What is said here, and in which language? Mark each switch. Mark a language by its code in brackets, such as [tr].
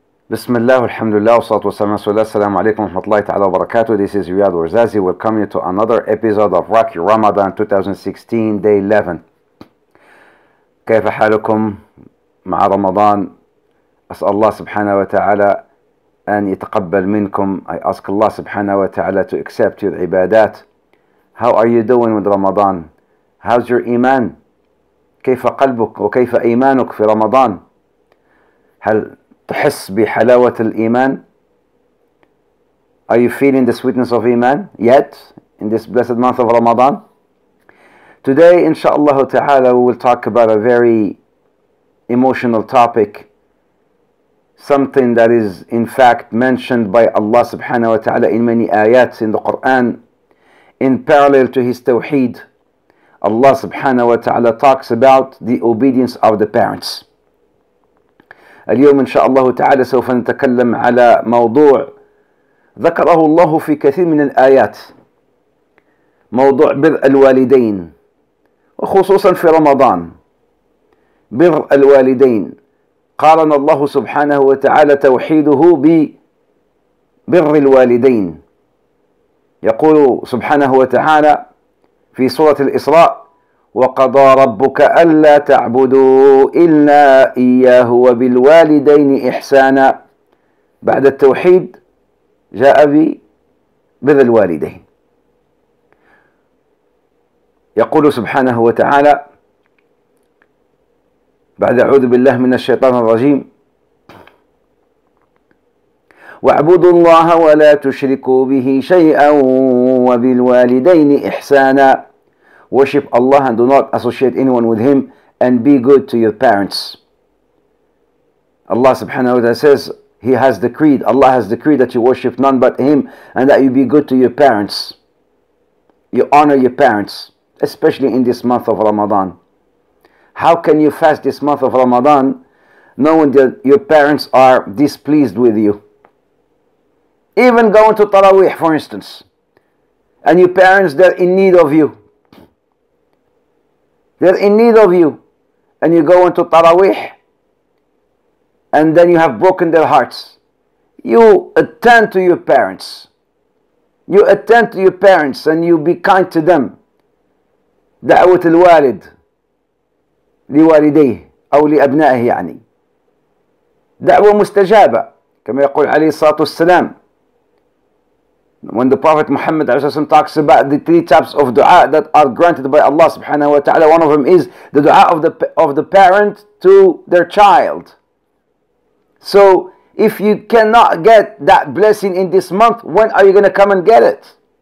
[ar] بسم الله والحمد لله والصلاة والسلام على السلام عليكم ورحمة الله تعالى وبركاته. [en] This is Riad Ouarzazi. Welcome you to another episode of Rocky Ramadan 2016 Day 11. [ar] كيف حالكم مع رمضان؟ أسأل الله سبحانه وتعالى أن يتقبل منكم. [en] I ask Allah سبحانه وتعالى to accept your عبادات. How are you doing with Ramadan? How's your إيمان؟ [ar] كيف قلبك وكيف إيمانك في رمضان؟ هل تحس بحلاوة الإيمان؟ [en] Are you feeling the sweetness of إيمان yet in this blessed month of Ramadan? Today, inshallah ta'ala, we will talk about a very emotional topic, something that is in fact mentioned by Allah subhanahu wa ta'ala in many ayats in the Quran. In parallel to his tawheed, Allah subhanahu wa ta'ala talks about the obedience of the parents. [ar] اليوم إن شاء الله تعالى سوف نتكلم على موضوع ذكره الله في كثير من الآيات, موضوع بر الوالدين وخصوصا في رمضان. بر الوالدين, قارن الله سبحانه وتعالى توحيده ببر الوالدين. يقول سبحانه وتعالى في سورة الإسراء: وقضى ربك ألا تعبدوا إلا إياه وبالوالدين إحسانا. بعد التوحيد جاء ببر الوالدين. يقول سبحانه وتعالى بعد أعوذ بالله من الشيطان الرجيم: واعبدوا الله ولا تشركوا به شيئا وبالوالدين إحسانا. [en] Worship Allah and do not associate anyone with Him, and be good to your parents. Allah subhanahu wa ta'ala says, Allah has decreed that you worship none but Him and that you be good to your parents. You honor your parents, especially in this month of Ramadan. How can you fast this month of Ramadan knowing that your parents are displeased with you? Even going to Taraweeh, for instance, and your parents, they're in need of you. They're in need of you, and you go into Taraweeh, and then you have broken their hearts. You attend to your parents. You attend to your parents, and you be kind to them. [ar] دعوت الوالد لوالديه أو لأبنائه يعني. دعوة مستجابة, كما يقول عليه الصلاة والسلام. [en] When the Prophet Muhammad talks about the three types of dua that are granted by Allah subhanahu wa ta'ala, one of them is the dua of the parent to their child. So if you cannot get that blessing in this month, when are you going to come and get it?